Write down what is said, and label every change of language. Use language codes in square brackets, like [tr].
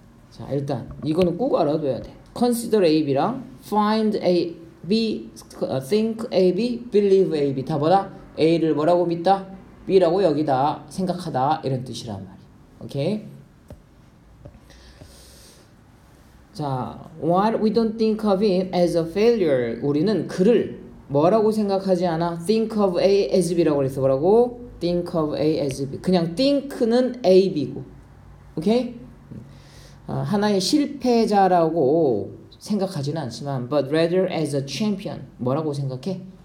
[ko] 자, 일단 이거는 꼭 알아둬야 돼. consider A B랑 find A B think A B believe A B 다 뭐다? A를 뭐라고 믿다? B라고 여기다 생각하다 이런 뜻이란 말이야. 오케이? [en] 자, what we don't think of him as a failure. [ko] 우리는 그를 뭐라고 생각하지 않아? [en] Think of A as B라고 그랬어. [ko] 뭐라고? [en] Think of A as B. [ko] 그냥 think는 A, B고. 오케이? 하나의 실패자라고 생각하지는 않지만 [en] but rather as a champion. [ko] 뭐라고 생각해?